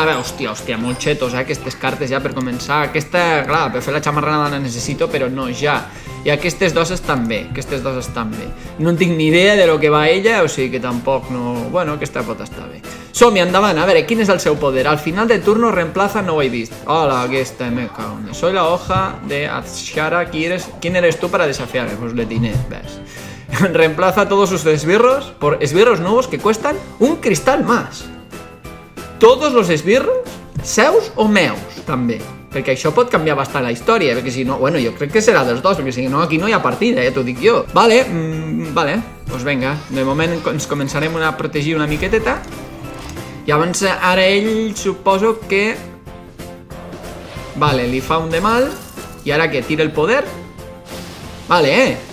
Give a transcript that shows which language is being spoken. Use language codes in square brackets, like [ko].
[ca] A veure, hòstia, molt xetos, eh? Aquestes cartes ja per començar. Aquesta, clar, per fer la xamarranada la necessito, però no ja. I aquestes dos estan bé, aquestes dos estan bé. No en tinc ni idea de lo que va ella, o sigui que tampoc no... Bueno, aquesta pot estar bé. Som-hi, endavant, a veure, quin és el seu poder? [es] Al final de turno reemplaza, [ca] no ho he vist. Hola, aquesta, [es] me cago. Soy la hoja de Azshara, ¿quién eres tú para desafiar? Pues le tiene, ves. Reemplaza todos sus esbirros por esbirros nuevos que cuestan un cristal más. Todos los esbirros, [ca] seus o meus, també. Perquè això pot canviar bastant la història, perquè si no, bueno, jo crec que serà dels dos, perquè si no, aquí no hi ha partida, ja t'ho dic jo. Vale, vale, doncs vinga, de moment ens començarem a protegir una miqueteta. I abans, ara ell, suposo que... Vale, li fa un de mal, i ara què, tira el poder? Vale, eh?